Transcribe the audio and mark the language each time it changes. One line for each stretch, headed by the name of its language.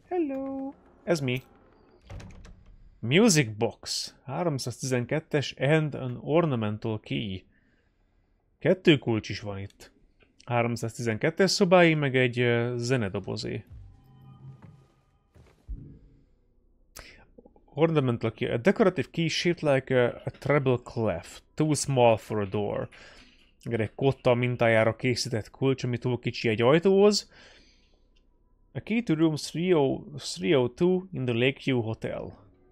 English: Hello!
Hungarian: Ez mi?
English: Music box. 312-es and an ornamental key.
Hungarian: Kettő kulcs is van itt. 312-es szobái, meg egy zenedobozé.
English: Ornamental key. A decorative key shaped like a treble clef. Too small for a door.
Hungarian: Igen, egy kotta mintájára készített kulcs, ami túl kicsi egy ajtóhoz.
English: A key to room 302 in the Lakeview Hotel.